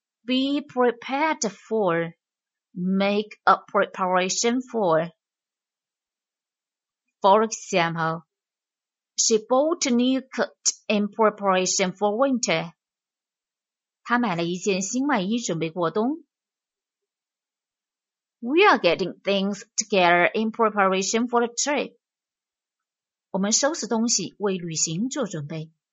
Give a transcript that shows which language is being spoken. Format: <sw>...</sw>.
<en>be prepared for, make a preparation for. For example, she bought a new coat in preparation for winter.</en> <zh>她买了一件新外衣准备过冬。</zh> <en>We are getting things together in preparation for the trip.</en> <zh>我们收拾东西为旅行做准备。</zh>